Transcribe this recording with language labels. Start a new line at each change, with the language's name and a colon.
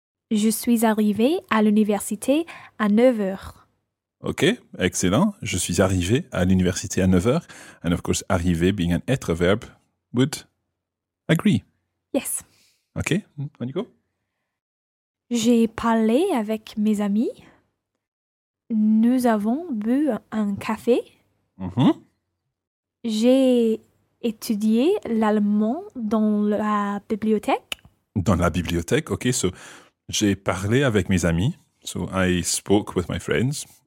French: Je suis arrivé à l'université à 9h.
English: Okay, excellent.
French: Je suis arrivé à l'université à 9h.
English: And of course, arriver being an être verb would agree. Yes. Okay, on you go.
French: J'ai parlé avec mes amis. Nous avons bu un café. Mm-hmm. J'ai étudié l'allemand dans la bibliothèque. Dans la bibliothèque, okay. So, j'ai parlé avec mes amis.
English: So, I spoke with my friends.